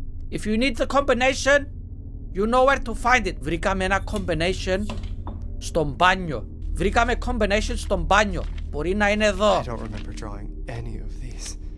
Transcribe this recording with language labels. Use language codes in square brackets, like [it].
[en] If you need the combination, you know where to find it. [el] Βρήκαμε ένα combination στο μπάνιο. Βρήκαμε combination στο μπάνιο. Μπορεί να είναι εδώ. [en] I don't remember drawing any of these.